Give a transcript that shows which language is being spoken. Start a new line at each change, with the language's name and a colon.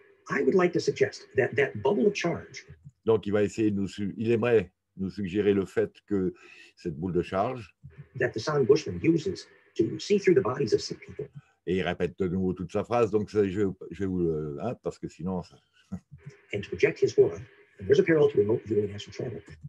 English: I would like to suggest that bubble of charge.
French: Donc il va essayer de nous il aimerait nous suggérer le fait que cette boule de charge
English: that the sound Bushman uses to see through the bodies of sick people.
French: Et il répète de nouveau toute sa phrase, donc ça, je vous le hein, parce que sinon ça...
English: and to project his aura, and there's a parallel to remote viewing and astral travel.